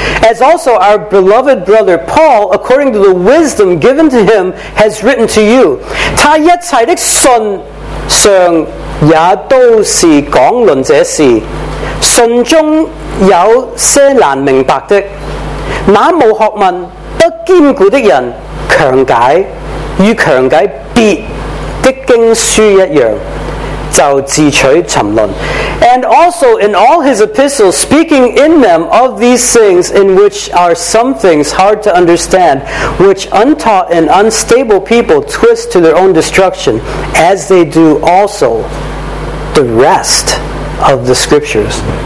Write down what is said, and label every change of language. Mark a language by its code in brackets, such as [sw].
[en] As also our beloved brother Paul, according to the wisdom given to him, has written to you. [zh] 他一切的信上也都是讲论这事，信中有些难明白的，那无学问不坚固的人强解，与强解别的经书一样。就自取沉沦。 [en] And also in all his epistles, speaking in them of these things, in which are some things hard to understand, which untaught and unstable people twist to their own destruction, as they do also the rest of the scriptures.